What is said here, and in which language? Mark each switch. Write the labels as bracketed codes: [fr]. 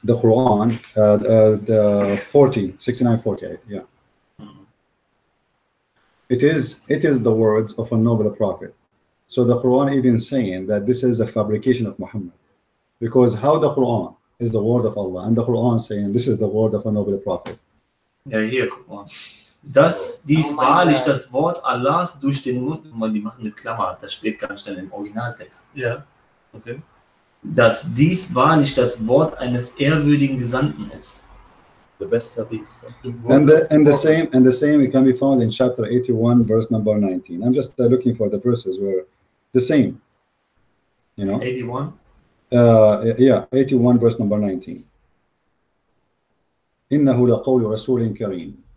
[en] The Quran, the 40, 69, 48, yeah. Mm-hmm. It is the words of a noble prophet. So the Quran even saying that this is a fabrication of Muhammad. Because how the Quran is the word of Allah, and the Quran saying this is the word of a noble prophet. [de] Ja, hier, guck mal. Dass dies wahrlich das Wort Allahs durch den Mund, die machen mit Klammer, das steht gar nicht im Originaltext. [en] Ja. Yeah. Okay. [de] Dass dies wahrlich das Wort eines ehrwürdigen Gesandten ist. [en] The best of these. And the same it can be found in chapter 81, verse number 19. I'm just looking for the verses where the same. you know. 81? Yeah, 81 verse number 19. [ar] إِنَّهُ لَقَوْلُ رَسُولٍ كَرِيمٍ.